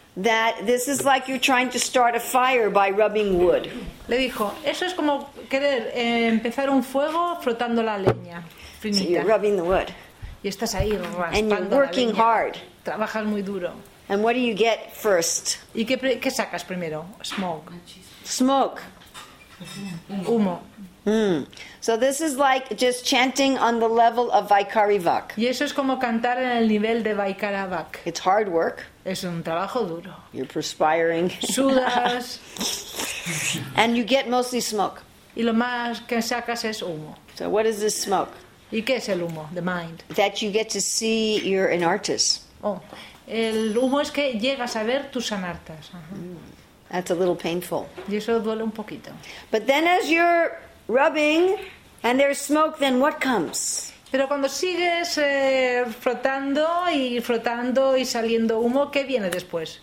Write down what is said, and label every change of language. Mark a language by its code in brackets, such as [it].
[en] That this is like you're trying to start a fire by rubbing wood. [es] Le dijo, eso es como querer empezar un fuego frotando la leña. [en] So you're rubbing the wood. [es] Y estás ahí raspando. [en] And you're working hard. [es] Trabajas muy duro. [en] And what do you get first? [es] ¿Y qué sacas primero? [en] Smoke. Smoke. [es] Humo. [en] So this is like just chanting on the level of Vaikarivak. [es] Y eso es como cantar en el nivel de Vaikaravak. [en] It's hard work. [es] Es un trabajo duro. [en] You're perspiring. [es] Sudas. [en] And you get mostly smoke. [es] Y lo más que sacas es humo. [en] So what is this smoke? [es] ¿Y qué es el humo? [en] The mind. That you get to see you're an artist. [es] Oh, el humo es que llegas a ver tus anartas. [en] That's a little painful. [es] Y eso duele un poquito. [en] But then as you're rubbing and there's smoke, then what comes? [es] Pero cuando sigues frotando y saliendo humo, ¿qué viene después?